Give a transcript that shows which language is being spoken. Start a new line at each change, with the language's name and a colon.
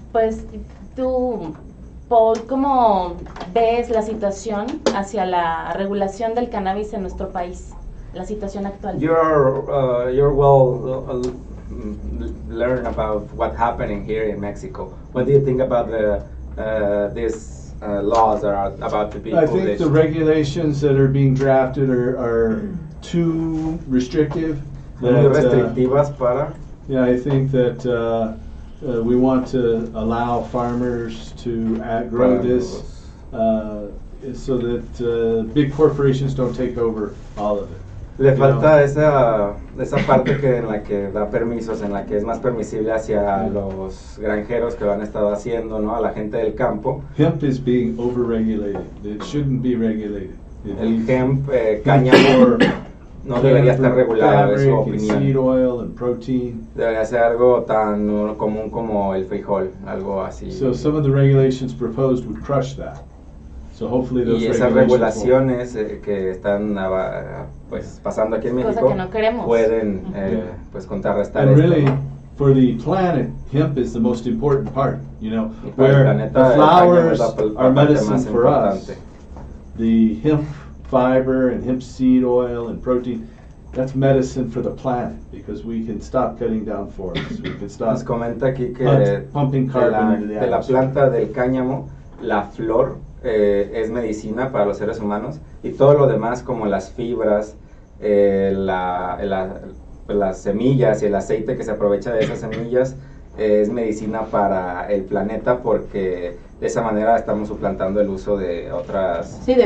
Spanish: Pues tú, Paul, ¿cómo ves la situación hacia la regulación del cannabis en nuestro país? La situación actual.
English: You're well learn about what happening here in Mexico. What do you think about these laws that are about to be published? I think the regulations that are being drafted are too restrictive. I think that we want to allow farmers to grow this so that big corporations don't take over all of it.
Spanish: Le falta esa parte que en la que da permisos, en la que es más permisible hacia los granjeros que lo han estado haciendo, ¿no? A la gente del campo.
English: Hemp is being overregulated. It shouldn't be regulated.
Spanish: El hemp, cáñamo, no debería estar regulado, es su opinión.
English: Seed oil and protein.
Spanish: Debería ser algo tan común como el frijol, algo así.
English: So some of the regulations proposed would crush that. So hopefully those
Spanish: y esas regulaciones que están pues, pasando aquí en México pueden pues contrarrestar esto.
English: Really, for the planet, hemp is the most important part, you know, where the flowers are medicine for us. The hemp fiber and hemp seed oil and protein, that's medicine for the planet, because we can stop cutting down forests, we can stop pumping carbon into the atmosphere.
Spanish: De la planta del cáñamo, la flor es medicina para los seres humanos, y todo lo demás, como las fibras, las semillas y el aceite que se aprovecha de esas semillas, es medicina para el planeta, porque de esa manera estamos suplantando el uso de otras